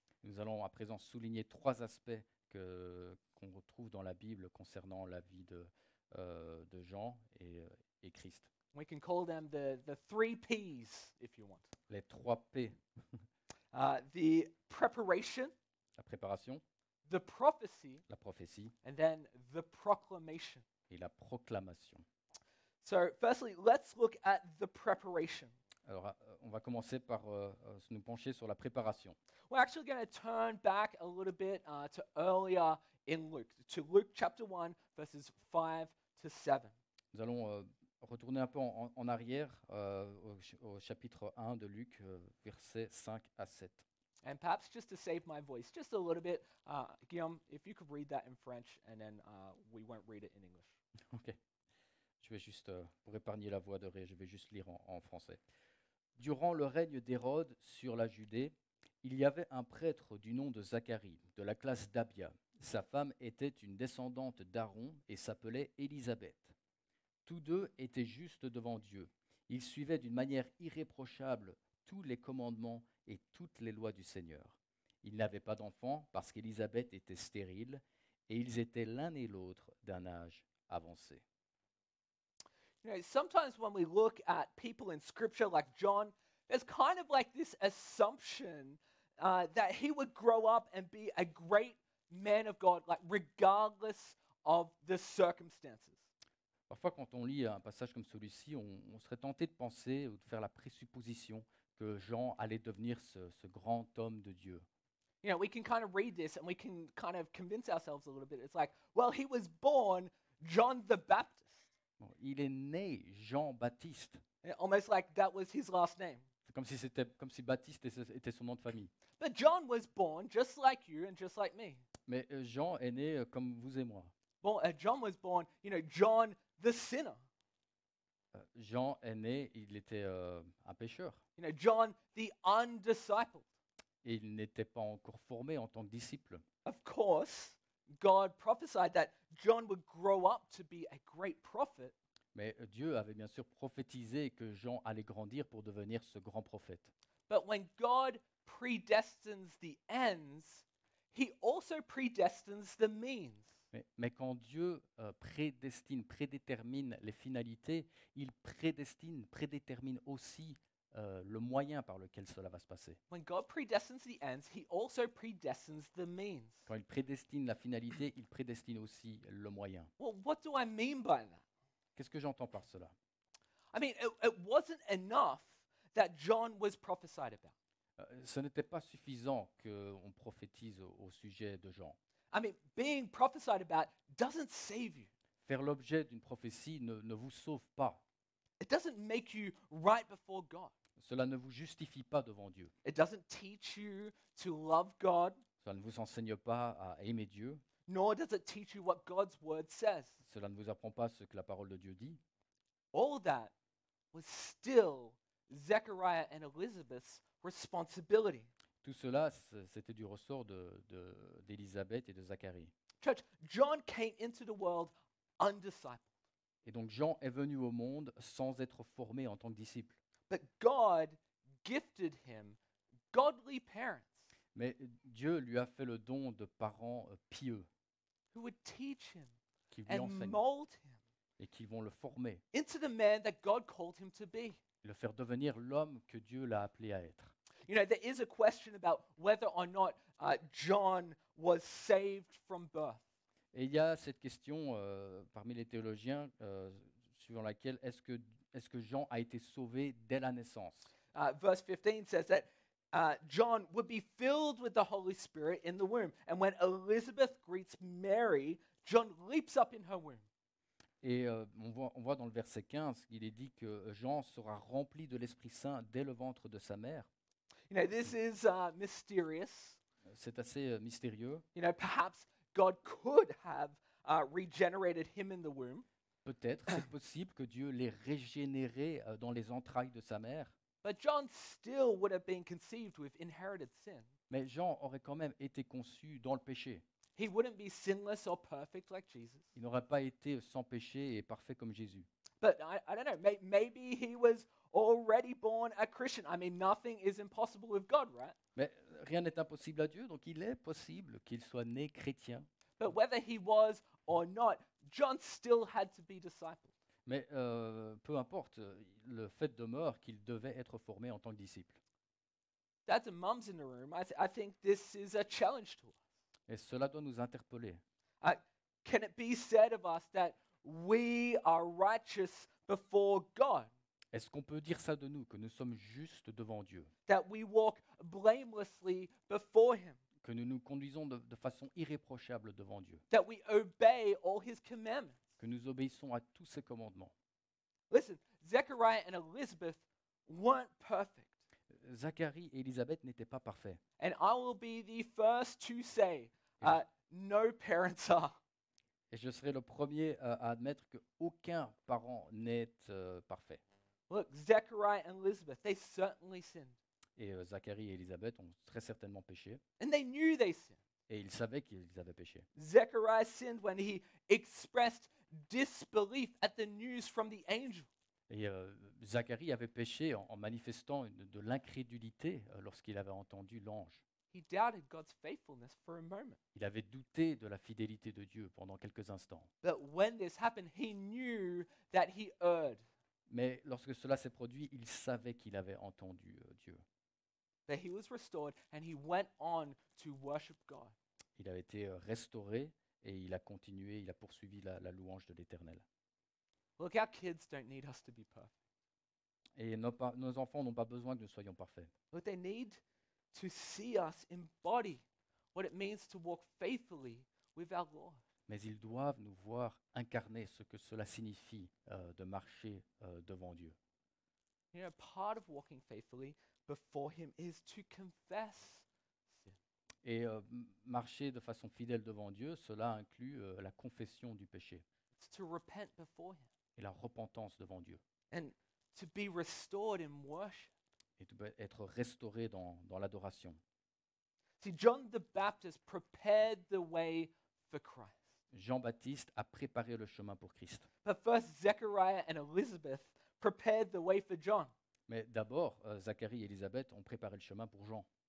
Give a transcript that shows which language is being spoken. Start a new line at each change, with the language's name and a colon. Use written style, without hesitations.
French: Nous allons à présent souligner trois aspects qu'on retrouve dans la Bible concernant la vie de Jean et Christ.
English: We can call them the three P's if you want.
French: Les trois P.
English: The preparation.
French: La préparation.
English: The prophecy.
French: La prophétie.
English: And then the proclamation.
French: Et la proclamation.
English: So, firstly, let's look at the preparation.
French: Alors, on va commencer par nous pencher sur la préparation.
English: We're actually going to turn back a little bit to earlier in Luke, to Luke chapter 1, verses 5 to 7.
French: Nous allons retourner un peu en arrière au chapitre 1 de Luc, versets 5 à 7.
English: And perhaps just to save my voice, just a little bit, Guillaume, if you could read that in French, and then we won't read it in English. Ok.
French: Je vais juste, pour épargner la voix de Ré, je vais juste lire en français. Durant le règne d'Hérode sur la Judée, il y avait un prêtre du nom de Zacharie, de la classe d'Abia. Sa femme était une descendante d'Aaron et s'appelait Élisabeth. Tous deux étaient justes devant Dieu. Ils suivaient d'une manière irréprochable tous les commandements et toutes les lois du Seigneur. Ils n'avaient pas d'enfants parce qu'Élisabeth était stérile et ils étaient l'un et l'autre d'un âge avancé.
English: You know, sometimes when we look at people in scripture like John, there's kind of like this assumption that he would grow up and be a great man of God, like regardless of the circumstances.
French: Parfois, quand on lit un passage comme celui-ci, on serait tenté de penser ou de faire la présupposition que Jean allait devenir ce grand homme de Dieu.
English: You know, we can kind of read this and we can kind of convince ourselves a little bit. It's like, well, he was born John the Baptist.
French: Il est né Jean-Baptiste.
English: Almost like that was his last name.
French: C'est comme si Baptiste était son nom de famille.
English: But John was born just like you and just like me.
French: Mais Jean est né comme vous et moi.
English: John was born, you know, John the sinner.
French: Jean est né, il était un pêcheur.
English: You know, John, the undiscipled.
French: Il n'était pas encore formé en tant que disciple.
English: Of course, God prophesied that John would grow up to be a great prophet.
French: Mais Dieu avait bien sûr prophétisé que Jean allait grandir pour devenir ce grand prophète.
English: But when God predestines the ends, he also predestines the means.
French: Mais quand Dieu prédestine, prédétermine les finalités, il prédestine, prédétermine aussi le moyen par lequel cela va se passer.
English: When God predestines the ends, he also predestines the means.
French: Quand il prédestine la finalité, il prédestine aussi le moyen.
English: Well, what do I mean by that?
French: Qu'est-ce que j'entends par cela?
English: I mean, it wasn't enough that John was prophesied about.
French: Ce n'était pas suffisant qu'on prophétise au sujet de Jean.
English: I mean, being prophesied about doesn't save you.
French: Faire l'objet d'une prophétie ne vous sauve pas.
English: It doesn't make you right before God.
French: Cela ne vous justifie pas devant Dieu.
English: It doesn't teach you to love God.
French: Cela ne vous enseigne pas à aimer Dieu.
English: Nor does it teach you what God's word says.
French: Cela ne vous apprend pas ce que la parole de Dieu dit.
English: All that was still Zechariah and Elizabeth's responsibility.
French: Tout cela, c'était du ressort d'Élisabeth et de Zacharie.
English: Church, John came into the world undiscipled.
French: Et donc Jean est venu au monde sans être formé en tant que disciple.
English: But God gifted him godly parents.
French: Mais Dieu lui a fait le don de parents pieux.
English: Who would teach him
French: qui lui enseignent
English: mold him
French: et qui vont le former.
English: Into the man that God called him to be.
French: Le faire devenir l'homme que Dieu l'a appelé à être.
English: You know, there is a question about whether or not John was saved from birth.
French: Et il y a cette question parmi les théologiens suivant laquelle est-ce que Jean a été sauvé dès la naissance?
English: Verse 15 says that John would be filled with the Holy Spirit in the womb, and when Elizabeth greets Mary, John leaps up in her womb.
French: Et on voit dans le verset 15 qu'il est dit que Jean sera rempli de l'Esprit Saint dès le ventre de sa mère.
English: You know, this is mysterious.
French: C'est assez mystérieux.
English: You know, perhaps God could have regenerated him in the womb.
French: Peut-être c'est possible que Dieu l'ait régénéré dans les entrailles de sa mère.
English: But John still would have been conceived with inherited sin.
French: Mais Jean aurait quand même été conçu dans le péché.
English: He wouldn't be sinless or perfect like Jesus.
French: Il n'aurait pas été sans péché et parfait comme Jésus.
English: But I don't know. Maybe he was already born a Christian. I mean, nothing is impossible with God, right?
French: Mais rien n'est impossible à Dieu, donc il est possible qu'il soit né chrétien.
English: But whether he was or not, John still had to be discipled.
French: Mais peu importe, le fait demeure qu'il devait être formé en tant que disciple.
English: Dads and moms in the room, I think this is a challenge to us.
French: Et cela doit nous interpeller.
English: Can it be said of us that we are righteous before God?
French: Est-ce qu'on peut dire ça de nous, que nous sommes justes devant Dieu?
English: That we walk blamelessly before him.
French: Que nous nous conduisons de façon irréprochable devant Dieu.
English: That we obey all his commandments.
French: Que nous obéissons à tous ses commandements.
English: Listen, Zechariah and Elizabeth weren't perfect.
French: Zacharie et Élisabeth n'étaient pas parfaits.
English: And I will be the first to say, no parents are.
French: Et je serai le premier à admettre qu'aucun parent n'est parfait.
English: Look, Zechariah and Elizabeth, they certainly sinned.
French: Et Zacharie et Élisabeth ont très certainement péché.
English: And they knew they sinned.
French: Et ils savaient qu'ils avaient péché.
English: Zechariah sinned when he expressed disbelief at the news from the angel.
French: Et Zacharie avait péché en manifestant de l'incrédulité lorsqu'il avait entendu l'ange.
English: He doubted God's faithfulness for a moment.
French: Il avait douté de la fidélité de Dieu pendant quelques instants.
English: But when this happened, he knew that he erred.
French: Mais lorsque cela s'est produit, il savait qu'il avait entendu Dieu.
English: That he was restored and he went on to worship God.
French: Il avait été restauré et il a continué, il a poursuivi la louange de l'Éternel.
English: Look, our kids don't need us to be perfect.
French: Et nos enfants n'ont pas besoin que nous soyons parfaits.
English: But they need to see us embody what it means to walk faithfully with our Lord.
French: Mais ils doivent nous voir incarner ce que cela signifie de marcher devant Dieu.
English: You know, part of walking faithfully before him is to confess sin.
French: Et marcher de façon fidèle devant Dieu, cela inclut la confession du péché.
English: It's to repent before him.
French: Et la repentance devant Dieu.
English: And to be restored in worship.
French: Et de être restauré dans l'adoration.
English: See, John the Baptist prepared the way for Christ.
French: Jean-Baptiste a préparé le chemin pour Christ.
English: But first, Zechariah and Elizabeth prepared the way for John.
French: Mais d'abord, Zacharie et Élisabeth ont préparé le chemin pour Jean.